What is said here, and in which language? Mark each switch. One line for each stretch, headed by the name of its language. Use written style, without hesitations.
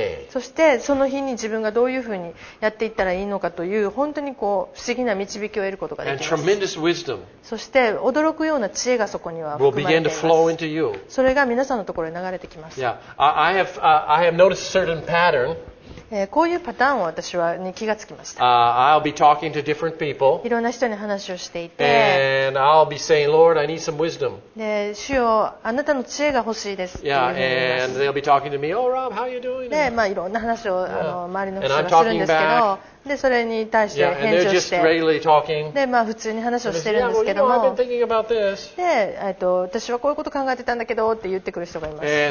Japanese: そしてその日に自分がどういうふうにやっていったらいいのかという、本当にこう不思議な導きを得ることができます。
English: And
Japanese: そして驚くような知恵がそこには含まれています。
English: begin to flow into you.
Japanese: それが皆さんのところに流れてきます。
English: I have noticed a certain pattern
Japanese: こういうパターンを私はに気がつきました。
English: I'll be talking to different people.
Japanese: いろんな人に話をしていて。
English: And I'll be saying, Lord, I need some wisdom.
Japanese: で、主よ、あなたの知恵が欲しいです。
English: Yeah, and they'll be talking to me, Oh, Rob, how are you doing?
Japanese: で、まあ、いろんな話を、
English: yeah.
Japanese: 周りの人がするんですけど。でそれに対して返事をして、
English: yeah, really、
Japanese: でまあ、普通に話をしているんですけども、 で私はこういうこと考えてたんだけどって言ってくる人がいます。